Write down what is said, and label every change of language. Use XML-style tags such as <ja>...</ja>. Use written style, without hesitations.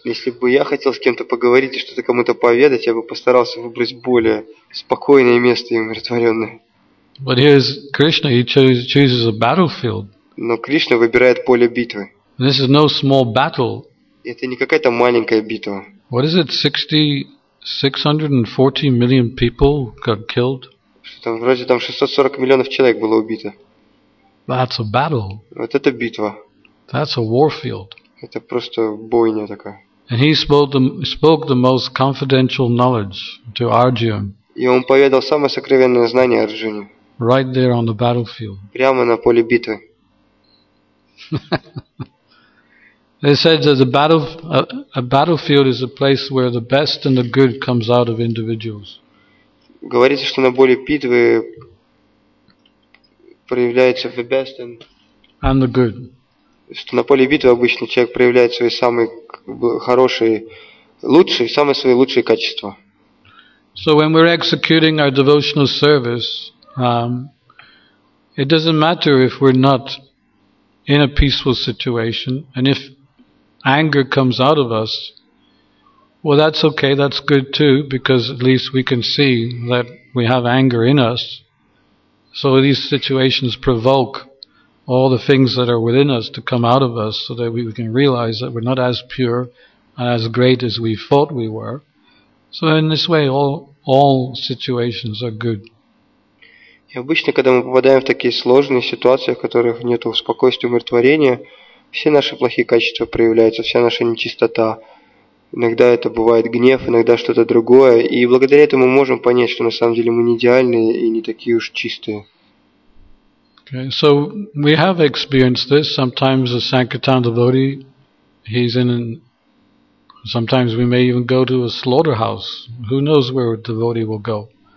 <ru>Если бы я хотел с кем-то поговорить и что-то кому-то поведать, я бы постарался выбрать более спокойное место и умиротворенное.</ru> <en>But here is Krishna. He chooses a battlefield.</en> <ru>Но Кришна выбирает поле битвы.</ru> <en>This is no small battle.</en> <ru>Это не какая-то маленькая битва.</ru> <en>What is it? 640 million people got killed.</en> <ru>Что там вроде там 640 миллионов человек было убито.</ru> <en>That's a battle.</en> <ru>Вот это битва.</ru> <en>That's a war field.</en> <ru>Это просто бойня такая.</ru> <en>And he spoke the most confidential knowledge to Arjuna.</en> <ru>И он поведал самое сокровенное знание Арджуне.</ru> <en>Right there on the battlefield.</en> <ru>Прямо на поле битвы.</ru> <en>They said that a battlefield is a place where the best and the good comes out of individuals.</en> <ru>Говорится, что на поле битвы проявляется</ru> <en>the best and the good.</en> <ru>Что на поле битвы обычно человек проявляет свои самые хорошие, лучшие, самые свои лучшие качества.</ru> <en>So when we're executing our devotional service, it doesn't matter if we're not in a peaceful situation, and if anger comes out of us, well, that's okay, that's good too, because at least we can see that we have anger in us. So these situations provoke all the things that are within us to come out of us so that we can realize that we're not as pure and as great as we thought we were. So in this way, all situations are good.</en> <ru>И обычно, когда мы попадаем в такие сложные ситуации, в которых нет спокойствия, умиротворения, все наши плохие качества проявляются, вся наша нечистота. Иногда это бывает гнев, иногда что-то другое. И благодаря этому мы можем понять, что на самом деле мы не идеальные и не такие уж чистые.</ru> <en>Okay, so we have experienced this. Sometimes a Sankirtan devotee, sometimes we may even go to a slaughterhouse. Who knows where a devotee will go?</en>